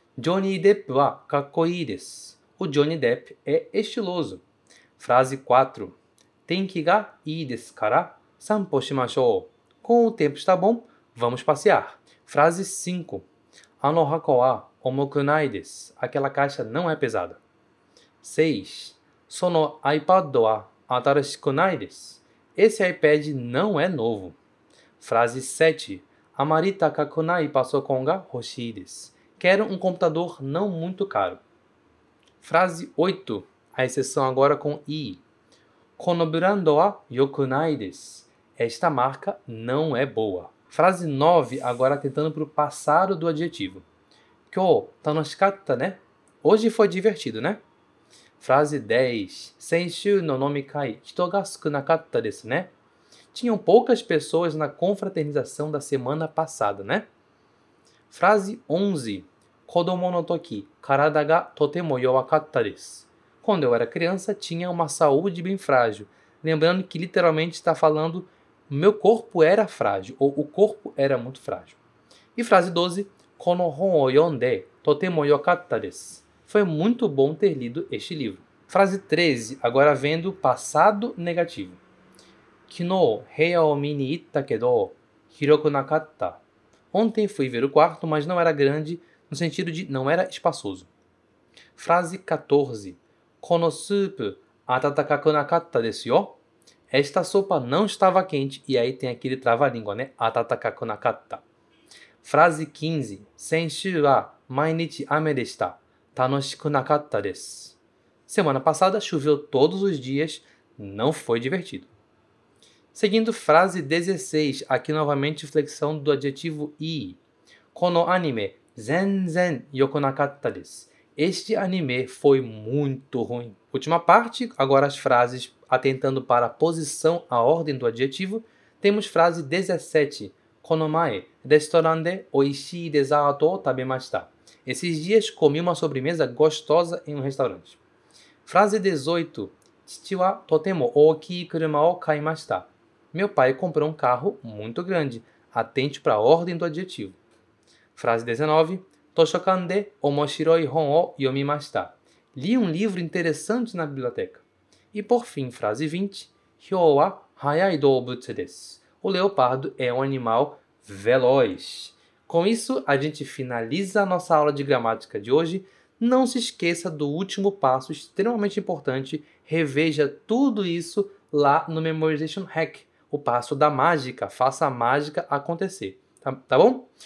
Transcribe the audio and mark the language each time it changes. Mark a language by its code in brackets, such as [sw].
[ja] Johnny Depp はかっこいいです。 [pt] O Johnny Depp é estiloso. Frase 4. [ja] 天気がいいですから散歩しましょう。 [pt] Com o tempo está bom, vamos passear. Frase 5. [ja] あの箱は重くないです。 [pt] Aquela caixa não é pesada. 6. [ja] その iPad は新しくないです。 [pt] Esse iPad não é novo. Frase 7. [ja] あまり高くないパソコンが欲しいです。 [pt] Quero computador não muito caro. Frase 8. A exceção agora com I. [ja] このブランドは良くないです。 [pt] Esta marca não é boa. Frase 9. Agora tentando para o passado do adjetivo. [ja] 今日楽しかったね? [pt] Hoje foi divertido, né? Frase 10. [ja] 先週の飲み会、人が少なかったですね? [pt] Tinham poucas pessoas na confraternização da semana passada, né? Frase 11. [ja] 子供の時、体がとても弱かったです。 [pt] Quando eu era criança, tinha uma saúde bem frágil. Lembrando que literalmente está falando meu corpo era frágil, ou o corpo era muito frágil. E frase 12. [ja] この本を読んで、とても良かったです。 [pt] Foi muito bom ter lido este livro. Frase 13. Agora vendo passado negativo. [ja] 昨日、部屋を見に行ったけど、広くなかった。 [pt] Ontem fui ver o quarto, mas não era grande, no sentido de não era espaçoso. Frase 14. [ja] このスープ、温かくなかったですよ。 [pt] Esta sopa não estava quente, e aí tem aquele trava-língua, né? 温かくなかった。Frase 15. [ja] 先週は毎日雨でした。楽しくなかったです。 [pt] Semana passada choveu todos os dias. Não foi divertido. Seguindo frase 16. Aqui novamente flexão do adjetivo I. [ja] このアニメ全然良くなかったです。 [pt] Este anime foi muito ruim. Última parte. Agora as frases atentando para a posição, a ordem do adjetivo. Temos frase 17. [ja] この前、レストランで美味しいデザートを食べました。 [pt] Esses dias comi uma sobremesa gostosa em restaurante. Frase 18. [ja] 父はとても大きい車を買いました。 [pt] Meu pai comprou carro muito grande. Atente para a ordem do adjetivo. Frase 19. [ja] 図書館で面白い本を読みました。 [pt] Li livro interessante na biblioteca. E por fim, frase 20. [ja] ヒョウは早い動物です。 [pt] O leopardo é animal veloz. Com isso, a gente finaliza a nossa aula de gramática de hoje. Não se esqueça do último passo, extremamente importante. Reveja tudo isso lá no Memorization Hack. O passo da mágica. Faça a mágica acontecer. Tá bom?